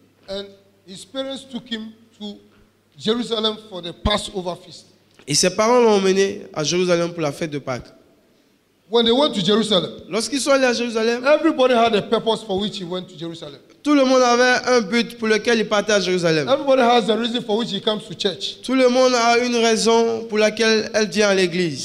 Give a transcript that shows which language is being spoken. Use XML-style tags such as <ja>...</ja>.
<en>And his parents took him to Jerusalem for the Passover feast.</en> <fr>Et ses parents l'ont emmené à Jérusalem pour la fête de Pâques.</fr> <en>When they went to Jerusalem,</en> <fr>lorsqu'ils sont allés à Jérusalem,</fr> <en>everybody had a purpose for which he went to Jerusalem.</en> <fr>Tout le monde avait un but pour lequel il partait à Jérusalem.</fr> <en>Everybody has a reason for which he comes to church.</en> <fr>Tout le monde a une raison pour laquelle elle vient à l'église.</fr>